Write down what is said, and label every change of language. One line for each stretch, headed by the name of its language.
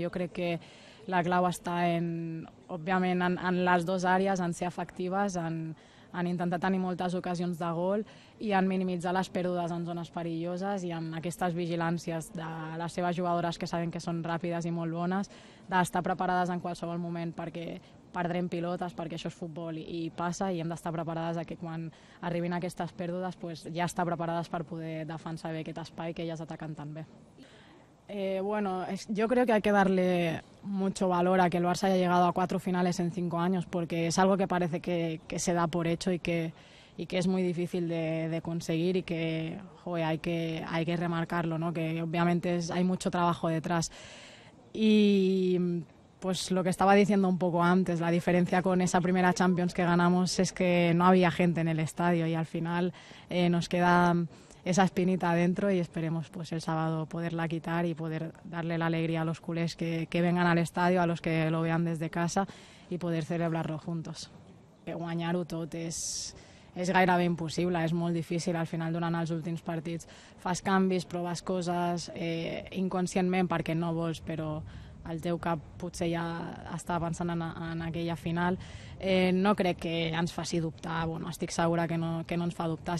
Catalan: Jo crec que la clau està en, òbviament, en les dues àrees, en ser efectives, en intentar tenir moltes ocasions de gol i en minimitzar les pèrdues en zones perilloses i en aquestes vigilàncies de les seves jugadores que saben que són ràpides i molt bones, d'estar preparades en qualsevol moment perquè perdrem pilotes, perquè això és futbol i passa, i hem d'estar preparades a que quan arribin aquestes pèrdues pues, ja estar preparades per poder defensar bé aquest espai que elles ataquen tan bé.
Spanish: Bueno, yo creo que hay que darle mucho valor a que el Barça haya llegado a 4 finales en 5 años, porque es algo que parece que se da por hecho y que es muy difícil de conseguir y que, joder, hay que remarcarlo, ¿no? Que obviamente hay mucho trabajo detrás. Y pues lo que estaba diciendo un poco antes, la diferencia con esa primera Champions que ganamos es que no había gente en el estadio y al final nos queda esa espinita adentro y esperemos pues el sábado poderla quitar y poder darle la alegría a los culés que vengan al estadio, a los que lo vean desde casa y poder celebrarlo juntos.
Catalan: Guanyar-ho tot és gairebé impossible, és molt difícil. Al final, durant els últims partits, fas canvis, proves coses inconscientment perquè no vols, però el teu cap potser ja està pensant en aquella final. No crec que ens faci dubtar, bueno, estic segura que no ens fa dubtar.